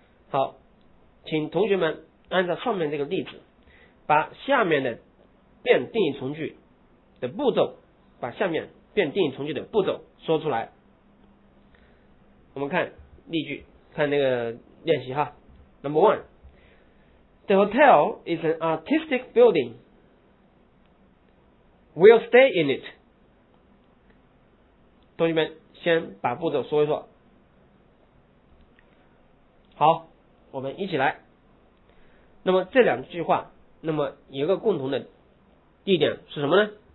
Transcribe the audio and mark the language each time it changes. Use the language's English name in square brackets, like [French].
[Chinese] 好，请同学们按照上面这个例子把下面的变定语从句的步骤，把下面变定语从句的步骤说出来。我们看例句，看那个练习哈。 [English] Number one， The hotel is an artistic building. We'll stay in it. [Chinese] 同学们先把步骤说一说。好，我们一起来。那么这两句话那么有个共同的地点是什么呢？